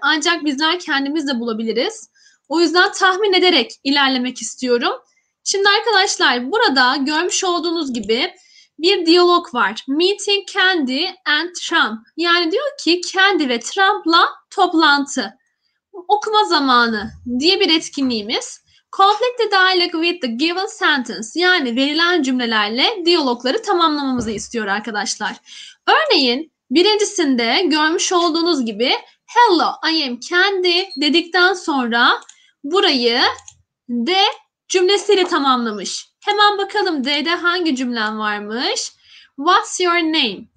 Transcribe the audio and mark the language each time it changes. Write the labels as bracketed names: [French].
[Turkish] Ancak bizler kendimiz de bulabiliriz. O yüzden tahmin ederek ilerlemek istiyorum. Şimdi arkadaşlar, burada görmüş olduğunuz gibi bir diyalog var. [English] Meeting Candy and Trump. [Turkish] Yani diyor ki Candy ve Trump'la toplantı. Okuma zamanı diye bir etkinliğimiz. [English] Complete the dialogue with the given sentence. [Turkish] Yani verilen cümlelerle diyalogları tamamlamamızı istiyor arkadaşlar. Örneğin birincisinde görmüş olduğunuz gibi [English] Hello, I am Candy [Turkish] dedikten sonra burayı de cümlesiyle tamamlamış. Hemen bakalım D'de hangi cümlen varmış? [English] What's your name?